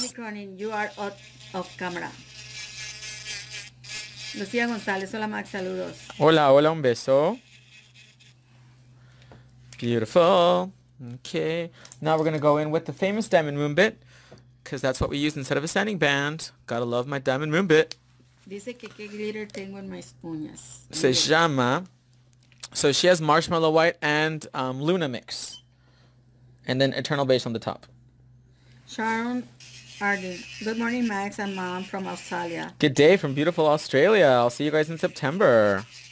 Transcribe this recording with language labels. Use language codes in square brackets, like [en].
[en] Tommy Cronin, you are out of camera. [es] Lucia Gonzalez, hola, Max, saludos. Hola, hola, un beso. [en] Beautiful. Okay, now we're going to go in with the famous diamond moon bit, because that's what we use instead of a sanding band. Gotta love my diamond moon bit. [es] Dice que qué glitter tengo en mis uñas. Se llama. [en] So she has marshmallow white and Luna mix. And then eternal beige on the top. Sharon Arden. Good morning, Max and Mom from Australia. Good day from beautiful Australia. I'll see you guys in September.